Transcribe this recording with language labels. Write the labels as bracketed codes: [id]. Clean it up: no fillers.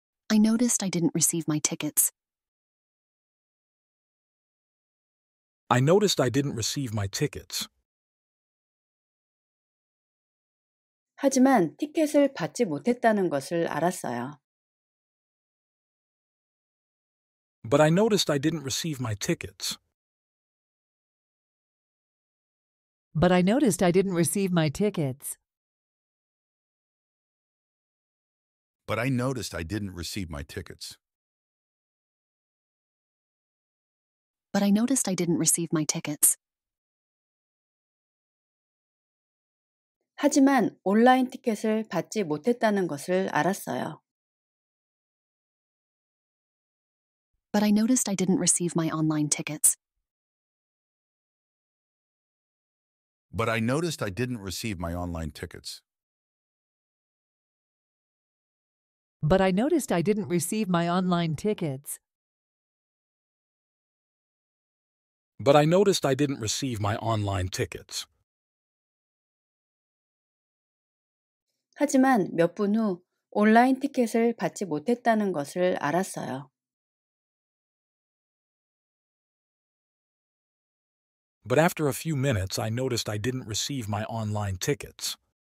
[en] I noticed I didn't receive my tickets. I noticed I didn't receive my tickets. [ko] 하지만 티켓을 받지 못했다는 것을 알았어요. [en] But I noticed I didn't receive my tickets. But I noticed I didn't receive my tickets. But I noticed I didn't receive my tickets. But I noticed I didn't receive my tickets. [ko] 하지만 온라인 티켓을 받지 못했다는 것을 알았어요. [en] But I noticed I didn't receive my online tickets. But I noticed I didn't receive my online tickets. But I noticed I didn't receive my online tickets. But I noticed I didn't receive my online tickets. [ko] 하지만 몇 분 후 온라인 티켓을 받지 못했다는 것을 알았어요. [en] But after a few minutes, I noticed I didn't receive my online tickets.